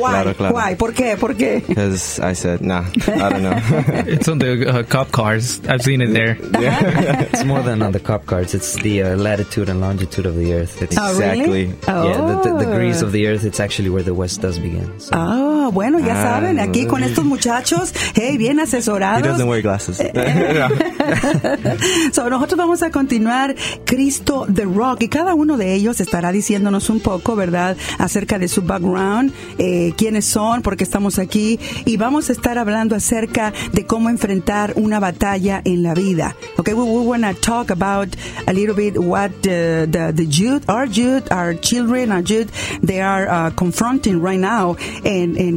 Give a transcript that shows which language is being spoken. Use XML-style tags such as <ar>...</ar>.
<en>why?</en> <es>Claro, claro.</es> <en>Why?</en> <es>¿Por qué? ¿Por qué?</es> <en>Because I said, nah, I don't know. It's on the cop cars. I've seen it there. Yeah. It's more than on the cop cars. It's the latitude and longitude of the Earth. It's exactly. Oh, really? Yeah, the degrees of the Earth, it's actually where the West does begin. So.</en> <es>Oh, bueno, ya saben, aquí con estos muchachos, hey, bien asesorados.</es> <en>He doesn't wear glasses.</en> <es>So, nosotros vamos a continuar Cristo the Rock, y cada uno de ellos estará diciéndonos un poco, ¿verdad?, acerca de su background, quiénes son, por qué estamos aquí, y vamos a estar hablando acerca de cómo enfrentar una batalla en la vida.</es> <en>Okay, we want to talk about a little bit what the youth, our children, they are confronting right now, and</en>